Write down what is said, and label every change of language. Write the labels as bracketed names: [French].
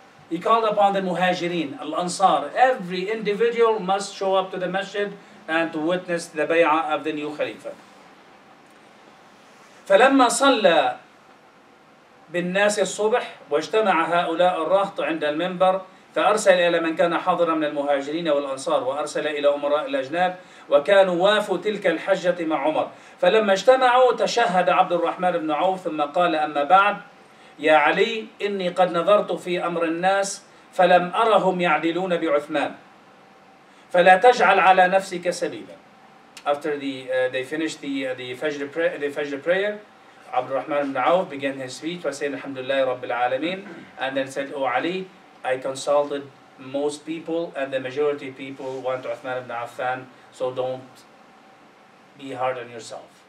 [English] He called upon the muhajirin, al ansar. Every individual must show up to the masjid and to witness the bay'ah of the new Khalifa. [Arabic] فلما صلى بالناس الصبح واجتمع هؤلاء الرهط عند المنبر فأرسل إلى من كان حاضرا من المهاجرين والأنصار وأرسل إلى أمراء الأجناب وكانوا وافوا تلك الحجة مع عمر فلما اجتمعوا تشهد عبد الرحمن بن عوف ثم قال أما بعد يا علي إني قد نظرت في أمر الناس فلم أرهم يعدلون بعثمان فلا تجعل على نفسك سبيلا. [English] After they finished the Fajr prayer, Abd al-Rahman ibn Auf began his speech by saying Alhamdulillah Rabbil Alameen, and then said, O Ali, I consulted most people and the majority of people want Uthman ibn Affan, so don't be hard on yourself.